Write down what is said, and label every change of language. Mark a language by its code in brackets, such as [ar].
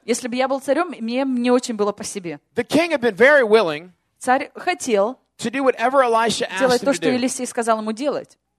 [ru] Если бы я был царем, мне не очень было по себе. [en] The king had been very willing. [ru] Царь хотел. [en] To do whatever Elisha asked him to do. [ru] Делать то, что Елисей сказал ему делать.